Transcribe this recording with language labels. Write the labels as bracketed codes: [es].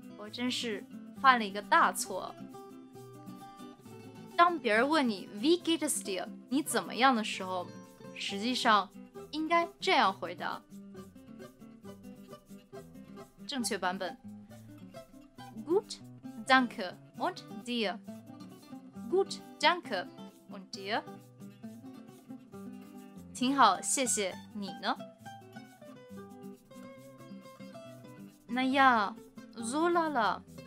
[de] Ich [zh] 当别人问你 [de] "Wie geht es dir?" [zh] 你怎么样的时候，实际上应该这样回答。正确版本 [de] "Gut, danke und dir." "Gut, danke und dir." [zh] 挺好，谢谢你呢。 [de] Naja, so lala.